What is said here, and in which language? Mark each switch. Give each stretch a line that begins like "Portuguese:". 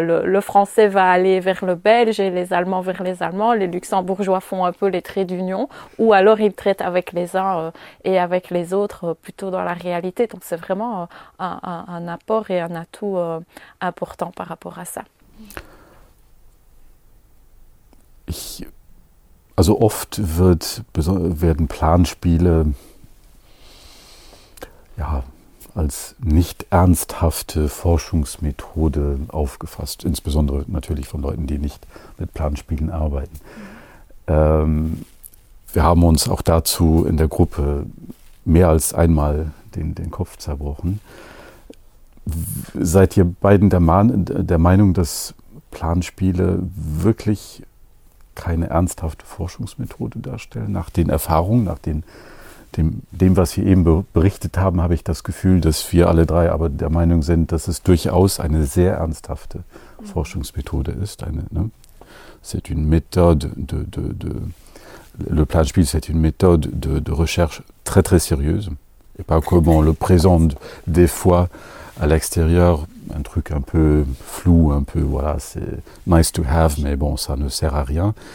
French: Le français va aller vers le belge et les allemands vers les allemands. Les luxembourgeois font un peu les traits d'union ou alors ils traitent avec les uns et avec les autres plutôt dans la réalité. Donc c'est vraiment un apport et un atout important par rapport à ça.
German: Also oft werden Planspiele ja als nicht ernsthafte Forschungsmethode aufgefasst, insbesondere natürlich von Leuten, die nicht mit Planspielen arbeiten. Wir haben uns auch dazu in der Gruppe mehr als einmal den Kopf zerbrochen. Seid ihr beiden der Meinung, dass Planspiele wirklich keine ernsthafte Forschungsmethode darstellen, nach den Erfahrungen, nach den dem, was wir eben berichtet haben, habe ich das Gefühl, dass wir alle drei aber der Meinung sind, dass es durchaus eine sehr ernsthafte Forschungsmethode ist.
French: C'est une méthode de le planspiel, c'est une méthode de recherche très très sérieuse. Et pas comme on le présente des fois à l'extérieur, un truc un peu flou, un peu voilà, c'est
English: nice to have,
French: mais bon, ça ne sert à rien.